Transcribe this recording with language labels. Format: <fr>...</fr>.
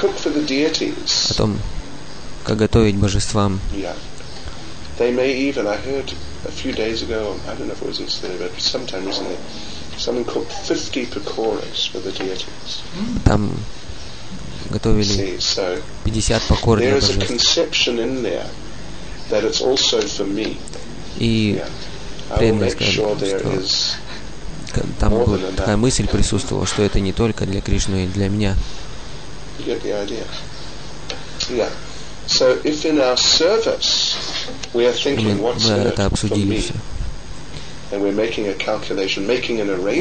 <ru>О том, как готовить божествам.</ru> <en>They may even, I heard a few days ago, I don't know if it was yesterday, but sometime recently, someone cooked 50 pakoras for the deities.</en> <ru>Там готовили 50 пакор для божеств.</ru> <en>There is a conception in there that it's also for me.</en> <ru>И преданные сказали, что там такая мысль присутствовала, что это не только для Кришны, но и для меня.</ru> <en>You get the idea? Yeah. So if in our service we are thinking what's in it for me, and we're making a calculation, making an arrangement,</en>